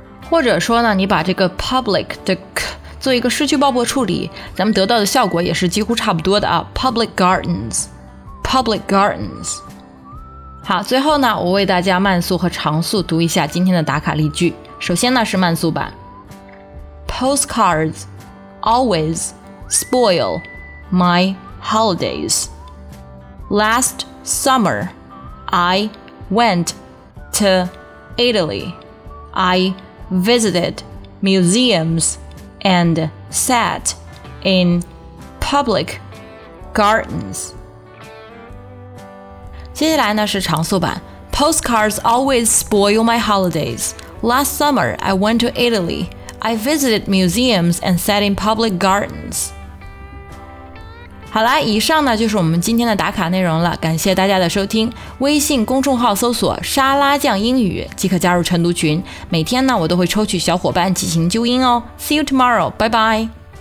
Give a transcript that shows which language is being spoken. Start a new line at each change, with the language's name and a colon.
Chinese: 或者说呢，你把这个 public 的 k 做一个失去爆破处理，咱们得到的效果也是几乎差不多的啊。
English: Public gardens, public gardens。
Chinese: 好，最后呢，我为大家慢速和长速读一下今天的打卡例句。首先呢是慢速版
English: ，Postcards always spoil my holidays. Last summer, I went to Italy. I visited museums and sat in public gardens.
Chinese: 接下来呢是长速版
English: ，Postcards always spoil my holidays. Last summer, I went to Italy. I visited museums and sat in public gardens.
Chinese: 好了，以上呢就是我们今天的打卡内容了，感谢大家的收听。微信公众号搜索沙拉酱英语即可加入晨读群，每天呢我都会抽取小伙伴进行纠音哦。
English: See you tomorrow, bye bye.